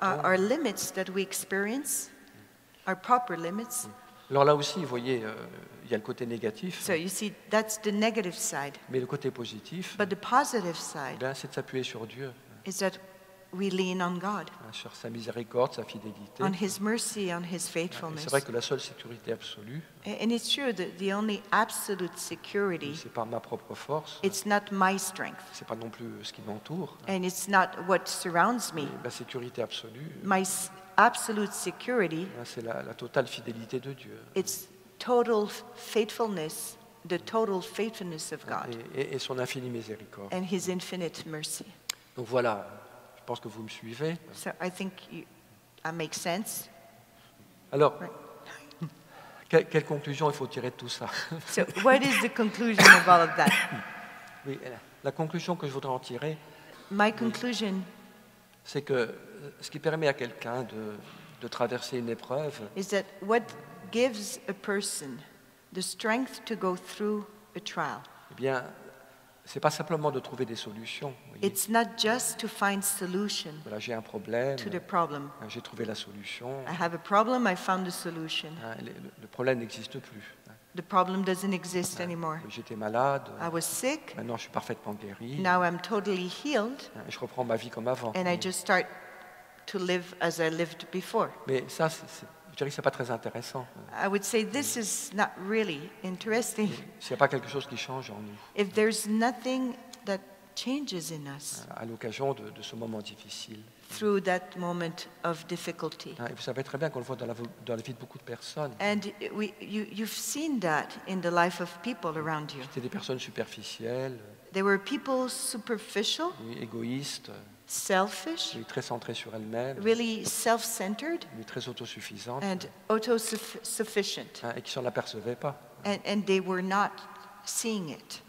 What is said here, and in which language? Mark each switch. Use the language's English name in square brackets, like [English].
[English] Our limits that we experience, our proper limits. [French] Alors là aussi, vous voyez, il y a le côté négatif. [English] So you see, that's the negative side. [French] Mais le côté positif. [English] But the positive side. [French] Eh bien, c'est de s'appuyer sur Dieu. [English] Is that we lean on God. [French] Sur sa miséricorde, sa fidélité. [English] On his mercy, on his faithfulness. [French] C'est vrai que la seule sécurité absolue. [English] And it's true that the only absolute security. [French] C'est pas ma propre force. [English] It's not my strength. [French] C'est pas non plus ce qui m'entoure. [English] And it's not what surrounds me. [French] Ma sécurité absolue. [English] My absolute security. [French] C'est la totale fidélité de Dieu. [English] It's total faithfulness. The total faithfulness of God. [French] Et son infinie miséricorde. [English] And his infinite mercy. [French] Donc voilà. Je pense que vous me suivez. [English] So I think that makes sense. [French] Alors, [English] right. [French] Quelle conclusion il faut tirer de tout ça? [English] So what is the conclusion of all of that? [French] Oui, la conclusion que je voudrais en tirer. [English] My conclusion. [French] C'est que ce qui permet à quelqu'un de traverser une épreuve. [English] Is that what gives a person the strength to go through a trial? [French] Eh bien. C'est pas simplement de trouver des solutions. [English] It's not just to find solution. [French] Voilà, j'ai un problème. [English] To the problem. [French] J'ai trouvé la solution. [English] I have a problem. I found a solution. [French] Le problème n'existe plus. [English] The problem doesn't exist anymore. [French] J'étais malade. [English] I was sick. [French] Maintenant, je suis parfaitement guéri. [English] Now I'm totally healed. [French] Je reprends ma vie comme avant. [English] And I just start to live as I lived before. [French] Mais ça, c'est je dirais que c'est pas très intéressant. [English] I would say this is not really interesting. [French] S'il y a pas quelque chose qui change en nous. [English] If there's nothing that changes in us. [French] À l'occasion de ce moment difficile. [English] Through that moment of difficulty. [French] Et vous savez très bien qu'on le voit dans la vie de beaucoup de personnes. [English] And you've seen that in the life of people around you. [French] C'était des personnes superficielles. [English] They were people superficial. [French] Égoïstes. [English] Selfish, [French] très centré sur elle-même, [English] really self-centered, [French] très autosuffisant, [English] and autosufficient, [French] et qui s'en apercevait pas, [English] and they were not seeing it.